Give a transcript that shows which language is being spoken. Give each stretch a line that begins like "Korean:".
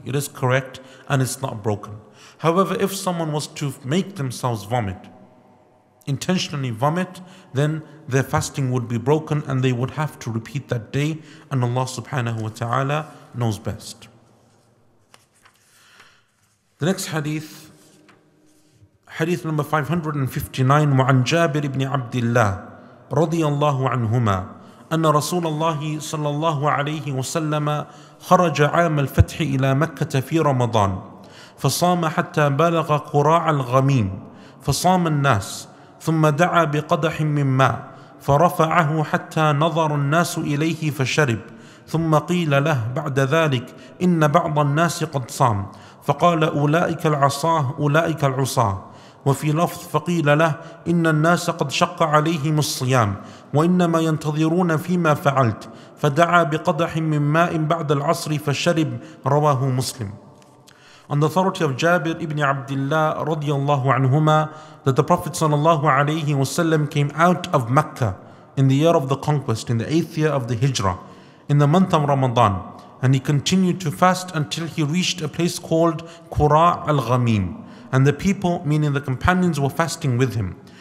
English: It is correct and it's not broken. However, if someone was to make themselves vomit, intentionally vomit, then their fasting would be broken and they would have to repeat that day, and Allah subhanahu wa ta'ala knows best. The next hadith, hadith number 559,
Arabic: وعن جابر بن عبد الله رضي الله عنهما أن رسول الله صلى الله عليه وسلم خرج عام الفتح إلى مكة في رمضان فصام حتى بلغ قراع الغميم فصام الناس ثم دعا بقدح من ماء فرفعه حتى نظر الناس إليه فشرب ثم قيل له بعد ذلك إن بعض الناس قد صام فقال أولئك العصاه أولئك العصاه وفي لفظ فقيل له إن الناس قد شق عليهم الصيام وإنما ينتظرون فيما فعلت فدعا بقدح من ماء بعد العصر فشرب رواه مسلم.
English: On the authority of Jabir ibn Abdullah radiyallahu anhuma, that the Prophet sallallahu alayhi wasallam came out of Mecca in the year of the conquest, in the 8th year of the Hijrah, in the month of Ramadan, and he continued to fast until he reached a place called Qura al-Ghamim, and the people, meaning the companions, were fasting with him.